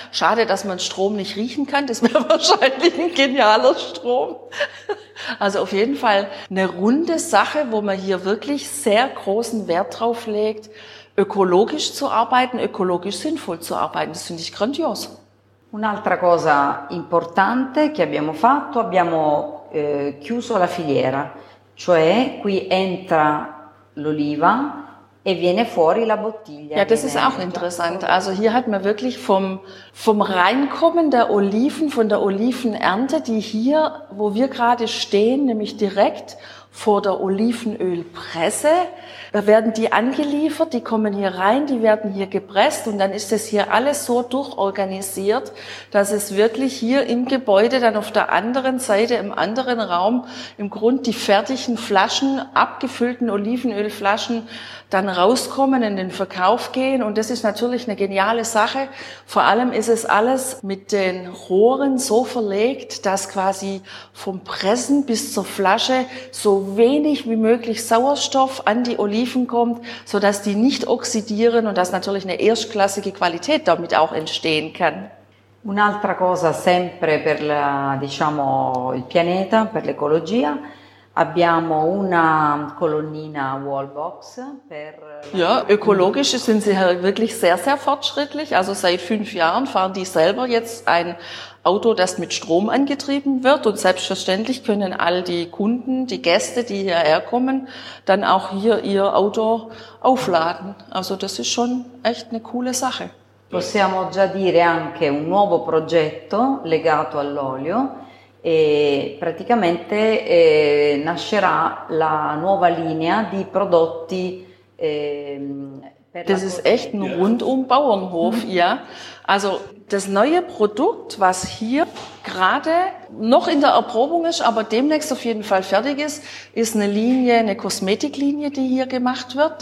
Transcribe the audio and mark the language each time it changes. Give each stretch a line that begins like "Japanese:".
German: Schade, dass man Strom nicht riechen kann, das wäre wahrscheinlich ein genialer Strom. Also auf jeden Fall eine runde Sache, wo man hier wirklich sehr großen Wert drauf legt, ökologisch zu arbeiten, ökologisch sinnvoll zu arbeiten, das finde ich grandios.
Italian: Un'altra cosa importante che abbiamo fatto, abbiamo chiuso la filiera, cioè qui entra l'oliva e viene fuori la bottiglia.
German: Ja, das ist auch interessant. Also hier hat man wirklich vom Reinkommen der Oliven, von der Olivenernte, die hier, wo wir gerade stehen, nämlich direkt vor der Olivenölpresse, da werden die angeliefert, die kommen hier rein, die werden hier gepresst und dann ist das hier alles so durchorganisiert, dass es wirklich hier im Gebäude dann auf der anderen Seite, im anderen Raum, im Grund die fertigen Flaschen, abgefüllten Olivenölflaschen dann rauskommen, in den Verkauf gehen und das ist natürlich eine geniale Sache. Vor allem ist es alles mit den Rohren so verlegt, dass quasi vom Pressen bis zur Flasche so wenig wie möglich Sauerstoff an die Oliven kommt, sodass die nicht oxidieren und dass natürlich eine erstklassige Qualität damit auch entstehen kann.
Italian: Un'altra cosa sempre per la, diciamo, il pianeta, per l'ecologia. Abbiamo una colonnina Wallbox per.
German: Ja, ökologisch sind sie wirklich sehr, sehr fortschrittlich. Also seit 5 Jahren fahren die selber jetzt ein Auto, das mit Strom angetrieben wird. Und selbstverständlich können all die Kunden, die Gäste, die hierher kommen, dann auch hier ihr Auto aufladen. Also das ist schon echt eine coole Sache.
Italian: Possiamo già dire anche un nuovo progetto legato all'olio. E praticamente nascerà la nuova linea di prodotti
German: per Das ist echt ein rundum Bauernhof, ja. Also das neue Produkt, was hier gerade noch in der Erprobung ist, aber demnächst auf jeden Fall fertig ist, ist eine Linie, eine Kosmetiklinie, die hier gemacht wird.